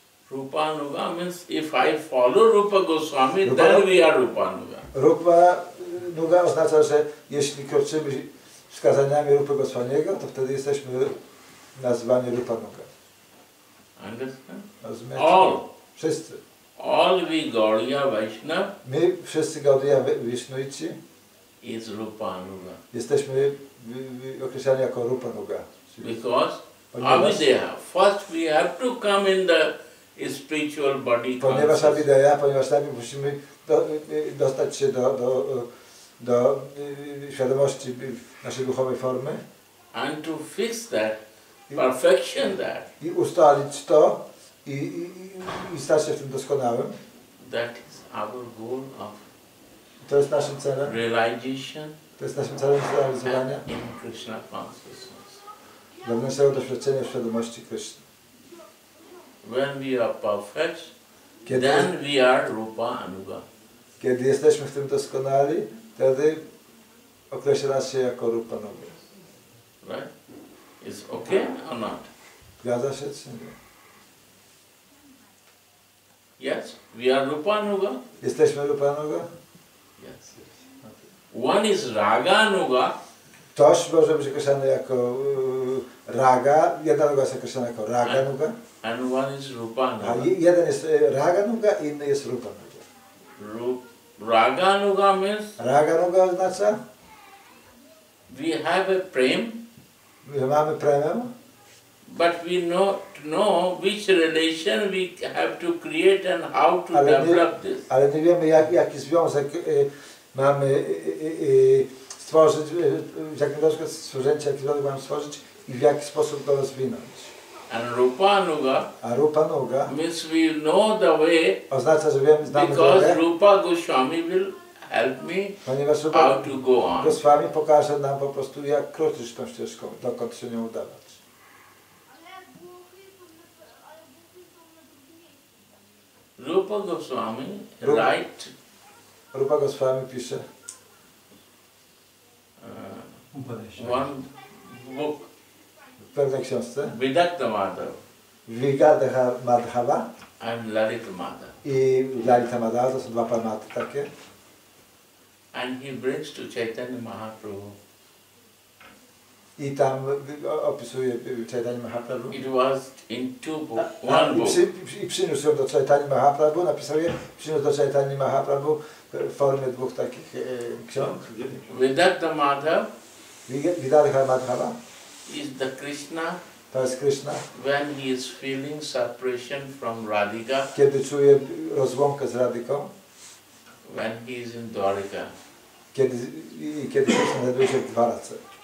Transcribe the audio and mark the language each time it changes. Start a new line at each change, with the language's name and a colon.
English: Rupa Nuga means if I follow Rupa Goswami, Rupa, then we are Rupa Nuga.
Polish: Rupa Nuga oznacza, że jeśli kroczymy wskazaniami Rupy Goswamiego, to wtedy jesteśmy nazwani Rupa Nuga.
English: Understand? All.
Polish: Wszyscy.
English: All we Gaudiya Vaishnava.
Polish: My wszyscy Gaudiya Vaishnavici.
English: Is Rupa Anuga.
Polish: Jesteśmy określani jako Rupa Anuga.
English: Because Avideha. First we have to come in the spiritual body.
Polish: Ponieważ Avideha, ponieważ najpierw musimy dostać się do świadomości naszej duchowej formy.
English: And to fix that. Perfection that.
Polish: I ustalić to i stać się w tym doskonałym.
English: That is our goal of.
Polish: To jest naszym celem.
English: Realization.
Polish: To jest naszym celem zrealizowania.
English: In Krishna consciousness.
Polish: Wewnętrznego doświadczenia w świadomości Krishna.
English: When we are perfect,
Polish: kiedy,
English: then we are Rupa Anuga.
Polish: Kiedy jesteśmy w tym doskonali, wtedy określa nas się jako Rupa Anuga.
English: Right? Is okay or not?
Polish: Zgadza się, czy nie?
English: Yes, we are Rupa Anuga.
Polish: Jesteśmy Rupa Anuga?
English: Yes, yes. Okay. One is Raga Anuga.
Polish: Toż może być określany jako Raga. Jedna noga jest określana jako Raga Anuga.
English: And one is Rupa Anuga.
Polish: Jeden jest Raga Anuga, inny jest Rupa Anuga.
English: Raga Anuga means?
Polish: Raga Anuga oznacza?
English: We have a prem.
Polish: My mamy premium.
English: But we know which relation we have to create and how to develop this.
Polish: Ale nie wiemy, jaki związek mamy stworzyć, w jakim związku stworzenia, jaki związek mamy stworzyć i w jaki sposób go rozwinąć.
English: And Rupa Anuga.
Polish: A Rupa Anuga
English: means we know the way.
Polish: Oznacza, że wiemy, znamy drogę.
English: Because Rupa Goswami will help me.
Polish: Ponieważ Rupa Goswami pokaże nam po prostu, jak kroczyć tą ścieżką, dokąd się nie udawać.
English: Rupa Goswami, write.
Polish: Rupa Goswami pisze.
English: One book.
Polish: W pewnej książce.
English: Vidakta Madhava.
Polish: Vidakta Madhava.
English: And Lalita Madhava.
Polish: I Lalita Madhava, to są dwa paramaty takie.
English: And he brings to Chaitanya Mahaprabhu.
Polish: I tam opisuje Chaitanya Mahaprabhu.
English: It was in two books, one book.
Polish: I przyniósł ją do Chaitanya Mahaprabhu, napisał je, przyniósł do Chaitanya Mahaprabhu w formie dwóch takich ksiąg.
English: Vidakta Madhava.
Polish: Vidakta Madhava.
English: Is the Krishna.
Polish: To jest Krishna.
English: When he is feeling separation from Radhika.
Polish: Kiedy czuje rozłąkę z Radhiką.
English: When he is in Dwarika.
Polish: Kiedy Krishna znajduje się w Dwarace.